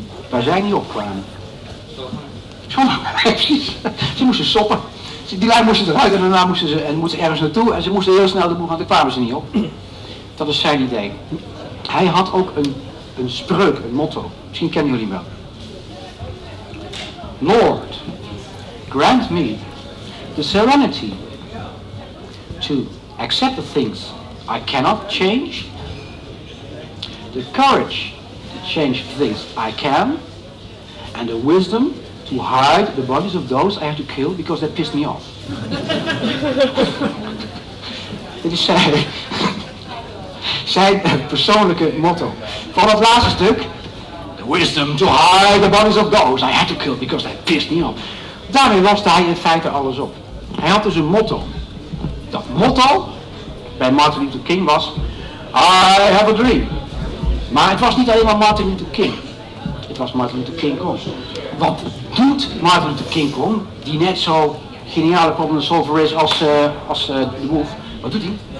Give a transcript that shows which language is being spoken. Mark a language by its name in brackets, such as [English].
[Dutch] Waar zij niet op kwamen. Soppen. Precies. Ze moesten soppen. Die lui moesten eruit en daarna moesten ze en moesten ergens naartoe en ze moesten heel snel de boel, want daar kwamen ze niet op. Dat is zijn idee. Hij had ook een spreuk, een motto. Misschien kennen jullie hem wel. [English] Lord, grant me the serenity to accept the things I cannot change, the courage to change the things I can, and the wisdom to hide the bodies of those I have to kill because they pissed me off. [Dutch] Dit is zijn. Zijn persoonlijke motto. Van dat laatste stuk. [English] The wisdom to hide the bodies of those I had to kill because they pissed me off. [Dutch] Daarmee loste hij in feite alles op. Hij had dus een motto. Dat motto bij Martin Luther King was. [English] I have a dream. [Dutch] Maar het was niet alleen maar Martin Luther King. Het was Martin Luther King Kong. Wat doet Martin Luther King Kong, die net zo geniale problem solver is als de wolf. Wat doet hij?